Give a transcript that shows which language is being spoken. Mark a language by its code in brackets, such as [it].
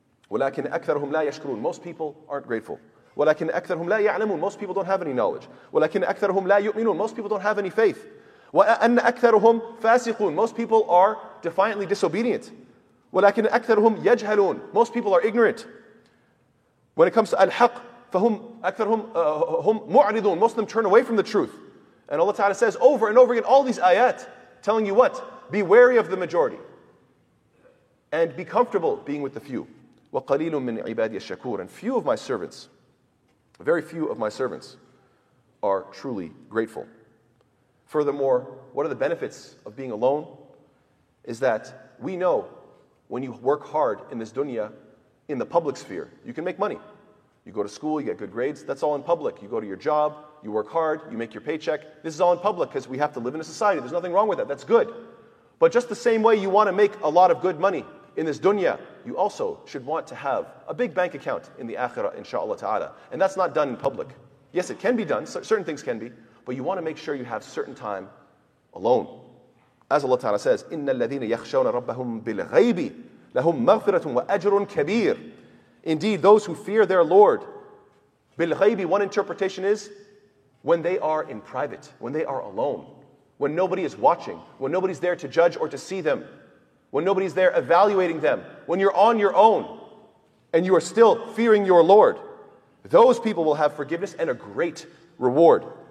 [ar] وَلَكِنْ أَكْثَرُهُمْ لَا يَشْكُرُونَ. [en] Most people aren't grateful. [ar] وَلَكِنْ أَكْثَرُهُمْ لَا يَعْلَمُونَ. [en] Most people don't have any knowledge. [ar] وَلَكِنْ أَكْثَرُهُمْ لَا يُؤْمِنُونَ. [en] Most people don't have any faith. [ar] وَأَنَّ أَكْثَرُهُمْ فَاسِقُونَ. [en] Most people are defiantly disobedient. [ar] وَلَكِنْ أَكْثَرُهُمْ يَجْهَلُونَ. [en] Most people are ignorant. When it comes to [ar] الحق, فَهُمْ أَكْثَرُهُمْ هُمْ مُعْرِضُونَ. [en] Most of them turn away from the truth. And Allah Ta'ala says over and over again, all these ayat, telling you what? Be wary of the majority. And be comfortable being with the few. [ar] وَقَلِيلٌ مِّنْ عِبَادِيَ الشَّكُورِ. [en] And few of my servants, very few of my servants, are truly grateful. Furthermore, what are the benefits of being alone? Is that we know when you work hard in this dunya, in the public sphere, you can make money. You go to school, you get good grades, that's all in public. You go to your job, you work hard, you make your paycheck. This is all in public because we have to live in a society. There's nothing wrong with that. That's good. But just the same way you want to make a lot of good money in this dunya, you also should want to have a big bank account in the akhirah, inshallah ta'ala. And that's not done in public. Yes, it can be done. Certain things can be. But you want to make sure you have certain time alone. As Allah ta'ala says, [ar] إِنَّ الَّذِينَ يَخْشَوْنَ رَبَّهُمْ بِالْغَيْبِ لَهُمْ مَغْفِرَةٌ وَأَجْرٌ كَبِيرٌ. [en] Indeed, those who fear their Lord, بِالْغَيْبِ, one interpretation is when they are in private, when they are alone, when nobody is watching, when nobody's there to judge or to see them, when nobody's there evaluating them, when you're on your own and you are still fearing your Lord, those people will have forgiveness and a great reward.